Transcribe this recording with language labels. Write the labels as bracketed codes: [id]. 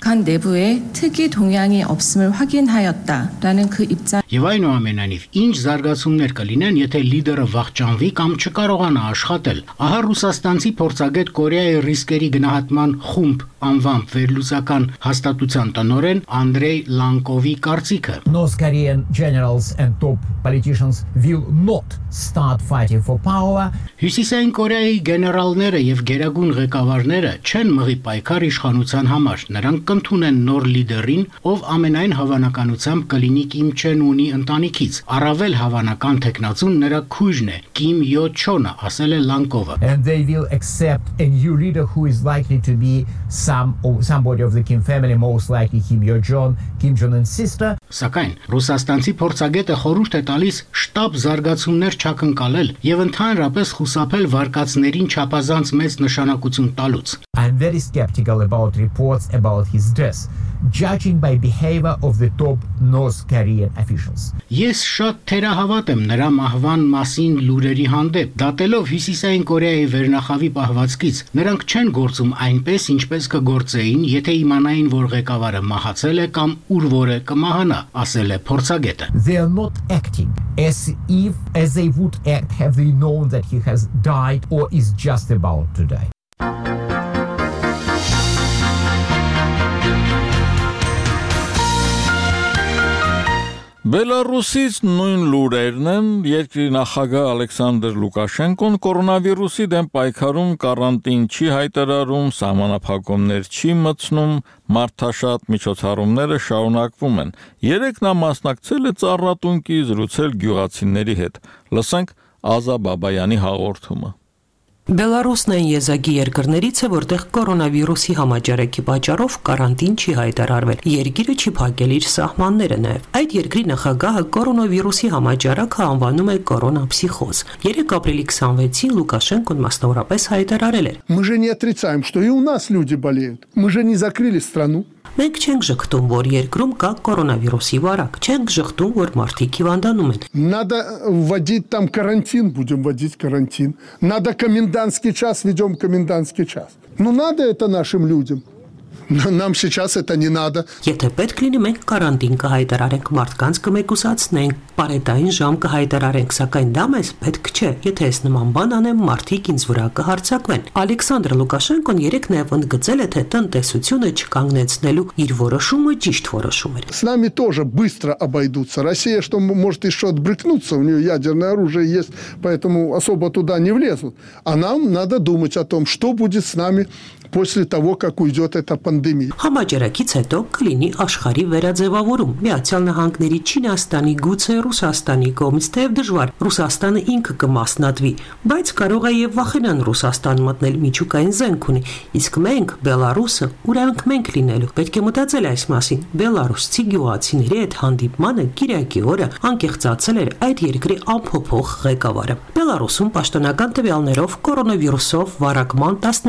[hy] Կանդեբուե թեգի դոնյանի օբսմը հակենհայոտտա, դանեն քի իբցա։ Եվ այնուամենայնիվ, ինչ զարգացումներ կլինեն, եթե լիդերը վախճանվի կամ չկարողանա աշխատել։ Ահա ռուսաստանցի փորձագետ Կորեայի ռիսկերի գնահատման խումբ անվամբ վերլուսական հաստատության տնորեն Անդրեյ Լանկովի կարծիքը. [en] North Korean generals and top politicians will not start fighting for power. [hy] Հյուսիսային Կորեայի գեներալները եւ գերագույն ղեկավարները չեն մղի պայքար իշխանության համար, նրանք կընդունեն նոր լիդերին, ով ամենայն հավանականությամբ կլինի Կիմ Չեն Ունի ընտանիքից։ Առավել հավանական թեկնածուն նրա քույրն է, Կիմ Յո Չոնը, ասել է Լանկովը։ [en] And they will accept a new leader who is likely to be somebody of the Kim family, most likely Kim Yo Jong, Kim Jong Un's sister. [hy] Սակայն ռուսաստանցի փորձագետը խորհուրդ է տալիս շտապ զարգացումներ չակնկալել եւ ընդհանրապես խուսափել վարկածներին չափազանց մեծ նշանակություն տալուց։ [en] I'm very skeptical about reports about his death, judging by behavior of the top North Korean officials. [hy] Ես շատ թերահավատ եմ նրա մահվան մասին լուրերի հանդեպ, դատելով Հյուսիսային Կորեայի վերնախավի պահվածքից։ Նրանք չեն գործում այնպես, ինչպես կգործեին, եթե իմանային, որ ղեկավարը մահացել է կամ ուր որ է կմահանա, ասել է փորձագետը։ [en] They are not acting as they would act had they known that he has died or is just about to die. [hy] Բելարուսից նույն լուրերն են երկրի նախագահ Ալեքսանդր Լուկաշենկոն կորոնավիրուսի դեմ պայքարում կարանտին չի հայտարարում, սահմանափակումներ չի մցնում, մարդաշատ միջոցառումները շարունակվում են։ Երեկ նա մասնակցել է ծառատունկի զրուցել գյուղացիների հետ։ Լսենք Ազա Բաբայանի հաղորդումը։ Բելարուսն այն եզակի երկրներից է, որտեղ կորոնավիրուսի համաճարակի պատճառով կարանտին չի հայտարարվել։ Երկիրը չի փակել իր սահմանները նաև։ Այդ երկրի նախագահը կորոնավիրուսի համաճարակը անվանում է կորոնափսիխոզ։ 3 ապրիլի 26-ին Լուկաշենկոն մասնավորապես հայտարարել էր. [ru] Мы же не отрицаем, что и у нас люди болеют. Мы же не закрыли страну. [hy] Մենք չենք ժխտում, որ երկրում կա կորոնավիրուսի վարակ, չենք ժխտում, որ մարդիկ հիվանդանում են։ [ru] Надо вводить там карантин, будем вводить карантин. Надо комендантский час, ведём комендантский час. Ну надо это нашим людям. Нам сейчас это не надо. [hy] Եթե պետք լինի, մենք կարանտին կհայտարարենք մարդկանց կմեկուսացնենք, պարետային ժամ կհայտարարենք, սակայն դա մեզ պետք չէ, եթե ես նման բան անեմ, մարդիկ ինձ վրա կհարձակվեն։ Ալեքսանդր Լուկաշենկոն երեկ նաև ընդգծել է, թե տնտեսությունը չկանգնեցնելու իր որոշումը ճիշտ որոշում էր։ [ru] С нами тоже быстро обойдутся. Россия что может ещё отбрыкнуться, у неё ядерное оружие есть, поэтому особо туда не влезут. А нам надо думать о том, что будет с нами после того, как уйдёт эта пандемия. [hy] Համաճարակից հետո կլինի աշխարհի վերաձևավորում։ Միացյալ Նահանգների Չինաստանի գուցե Ռուսաստանի կողմից թեև դժվար, Ռուսաստանը ինքը կմասնատվի, բայց կարող է եւ վախենան Ռուսաստան մտնել միջուկային զենք ունի, իսկ մենք Բելարուսը ուրանք մենք լինելու։ Պետք է մտածել այս մասին։ Բելարուսցի գյուղացիների այդ հանդիպմանը Կիրակի օրը անկեղծացել էր այդ երկրի ամփոփող ղեկավարը։ Բելարուսում պաշտոնական տվյալներով կորոնավիրուսով վարակման